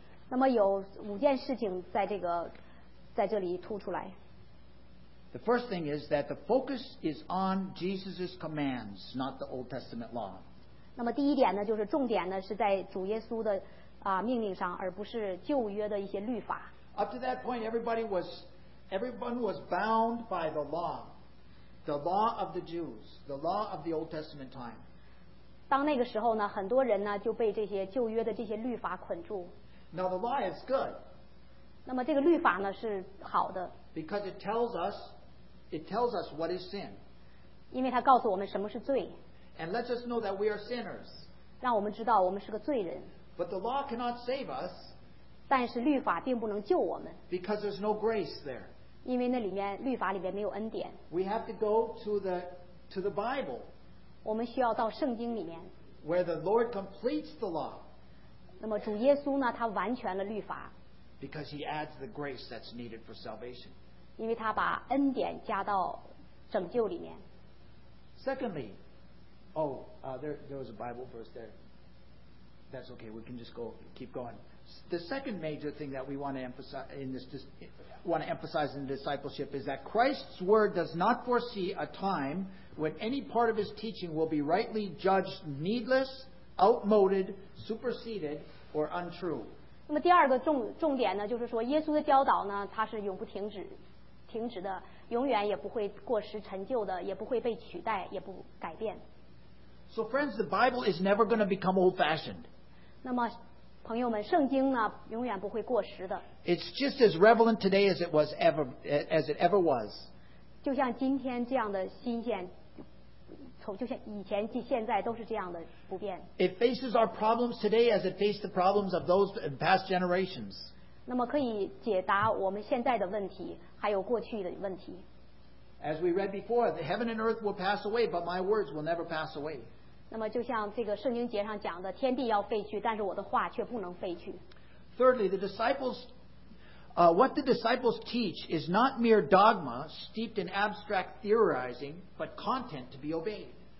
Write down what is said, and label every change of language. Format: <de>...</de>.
<zh>那么有五件事情在这里突出来。</zh> <en>The first thing is that the focus is on Jesus' commands, not the Old Testament law.</en> <zh>那么第一点呢，就是重点呢是在主耶稣的命令上，而不是旧约的一些律法。</zh> <en>Up to that point, everyone was bound by the law of the Jews, the law of the Old Testament time.</en> <zh>当那个时候呢，很多人呢就被这些旧约的这些律法捆住。</zh> <en>Now the law is good.</en> <zh>那么这个律法呢是好的。</zh> <en>Because it tells us what is sin.</en> <zh>因为它告诉我们什么是罪。</zh> <en>And lets us know that we are sinners.</en> <zh>让我们知道我们是个罪人。</zh> <en>But the law cannot save us.</en> <zh>但是律法并不能救我们。</zh> <en>Because there's no grace there.</en> <zh>因为那里面律法里面没有恩典。</zh> <en>We have to go to the Bible.</en> <zh>我们需要到圣经里面。</zh> <en>Where the Lord completes the law.</en> <zh>那么主耶稣呢？他完全了律法。</zh> <en>Because he adds the grace that's needed for salvation.</en> <zh>因为他把恩典加到拯救里面。</zh> <en>Secondly, there was a Bible verse there. That's okay. We can just keep going. The second major thing that we want to emphasize in discipleship is that Christ's word does not foresee a time when any part of his teaching will be rightly judged needless, outmoded, superseded, or untrue.</en> <zh>那么第二个重点呢，就是说耶稣的教导呢，它是永不停止的，永远也不会过时陈旧的，也不会被取代，也不改变。</zh> <en>So friends, the Bible is never going to become old-fashioned.</en> <zh>那么朋友们，圣经呢永远不会过时的。</zh> <en>It's just as relevant today as it ever was.</en> <zh>就像今天这样的新鲜，就像以前及现在都是这样的不变。</zh> <en>It faces our problems today as it faced the problems of those in past generations.</en> <zh>那么可以解答我们现在的问题，还有过去的问题。</zh> <en>As we read before, the heaven and earth will pass away, but my words will never pass away.</en> <zh>那么就像这个圣经节上讲的，天地要废去，但是我的话却不能废去。</zh> <en>Thirdly, the disciples, what the disciples teach is not mere dogma steeped in abstract theorizing, but content to be obeyed.</en>